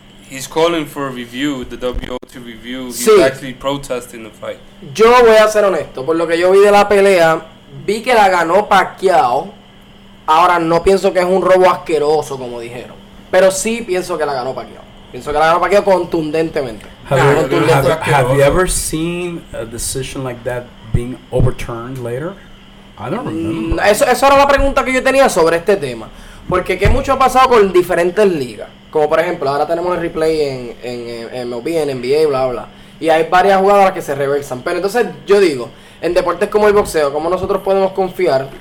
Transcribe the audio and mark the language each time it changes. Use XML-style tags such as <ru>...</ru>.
<en>He's calling for a review, the WO to review. He's</en> <es>sí.</es> <en>actually protesting the fight.</en> <es>Yo voy a ser honesto. Por lo que yo vi de la pelea, vi que la ganó Pacquiao. Ahora, no pienso que es un robo asqueroso, como dijeron. Pero sí pienso que la ganó Pacquiao. Pienso que la ganó Pacquiao contundentemente.</es> <en>Have you ever seen a decision like that being overturned later? I don't remember.</en> <es>Eso era la pregunta que yo tenía sobre este tema. Porque qué mucho ha pasado con diferentes ligas. Como por ejemplo, ahora tenemos el replay en MLB, en NBA, bla, bla. Y hay varias jugadoras que se reversan. Pero entonces yo digo, en deportes como el boxeo, ¿cómo nosotros podemos confiar?</es>